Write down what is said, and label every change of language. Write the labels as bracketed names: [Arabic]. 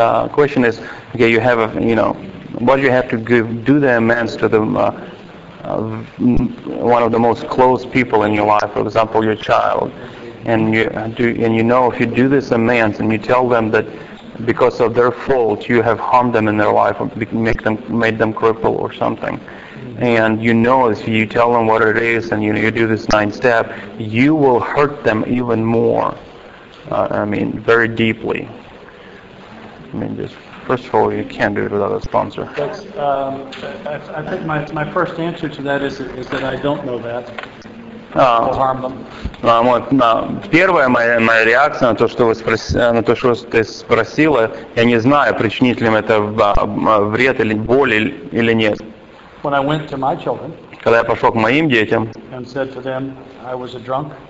[English] Question is, okay, you have, what do you have to do the amends to the one of the most close people in your life, for example, your child, and if you do this amends and you tell them that because of their fault you have harmed them in their life or made them cripple or something, and you know if you tell them what it is and you do this 9-step, you will hurt them even more. Very deeply. First of all, you can't do it without a sponsor. That's, I think my first answer to that is that I don't know that. [Russian] Первая моя реакция на то, что ты спросила, я не знаю, причинит ли им это вред или боль или нет. [English] When I went to my children, [Russian] когда я пошел к моим детям, [English] and said to them, I was a drunk.